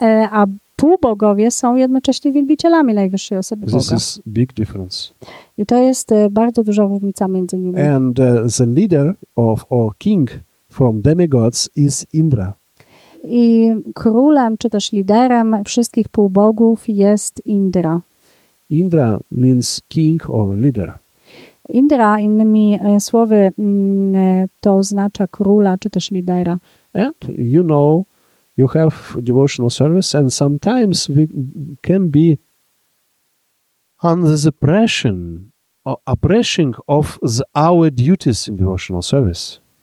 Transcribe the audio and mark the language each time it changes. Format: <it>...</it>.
<pl>A półbogowie są jednocześnie wielbicielami najwyższej osoby</pl> <en>this</en> <pl>Boga.</pl> <en>This is big difference.</en> <pl>I to jest bardzo duża różnica między nimi.</pl> <en>And the leader of or king from demigods is Indra.</en> <pl>I królem czy też liderem wszystkich półbogów jest Indra.</pl> <en>Indra means king or leader.</en> <pl>Indra, innymi słowy, to oznacza króla czy też lidera.</pl> <en>And you know, you have devotional service and sometimes we can be under the pressure or oppression of our duties in devotional service.</en>